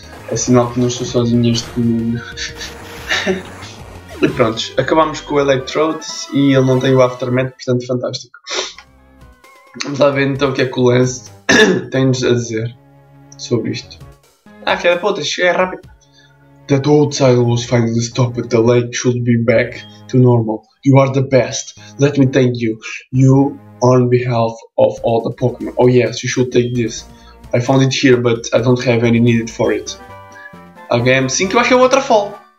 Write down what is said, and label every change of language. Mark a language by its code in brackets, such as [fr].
[pt] É sinal que não estou sozinho neste mundo. E pronto, acabamos com o Electrode e ele não tem o Aftermath, portanto fantástico. Vamos lá ver então o que é que o Lance tem-nos a dizer sobre isto. Ah, filha da puta, cheguei rápido. [en] That old cycle was finally stopped, the lake should be back to normal. You are the best, let me thank you. You... On behalf of all the Pokémon. Oh yes, you should take this. I found it here, but I don't have any needed for it. [pt] Again, sim, que eu acho que é o Waterfall.